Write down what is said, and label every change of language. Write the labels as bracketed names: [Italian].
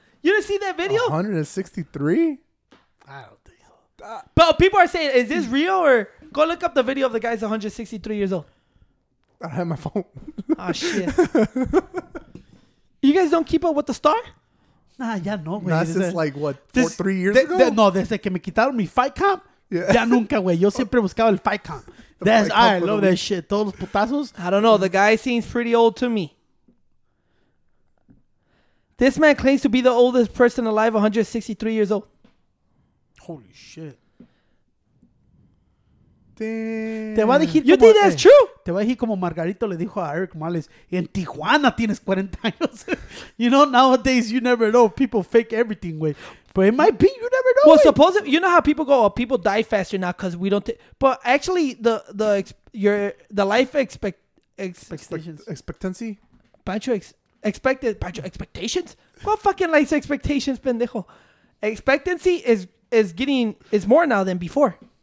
[English] You didn't see that video? 163? I don't think so. But people are saying, is this real? Or go look up the video of the guy's 163 years old. I don't have my phone. Oh, shit. You guys don't keep up with the star? [Spanish] Nah, ya no, [English] güey. Nah, since like, what, three years ago? [Spanish] No, desde que me quitaron mi fight comp, yeah. Ya nunca, güey. Yo siempre buscaba el fight comp. [English] I love that shit. [Spanish] Todos los putazos. [English] I don't know. The guy seems pretty old to me. This man claims to be the oldest person alive, 163 years old. Holy shit. You think that's true? [Spanish] Te voy a decir como Margarito le dijo a Eric Morales, en Tijuana tienes 40 años. [English] You know, nowadays, you never know. People fake everything, güey. But it might be, you never know. Well, supposedly, you know how people go, oh, people die faster now because we don't. But actually, expectations? What fucking life expectations, pendejo? Expectancy is more now than before.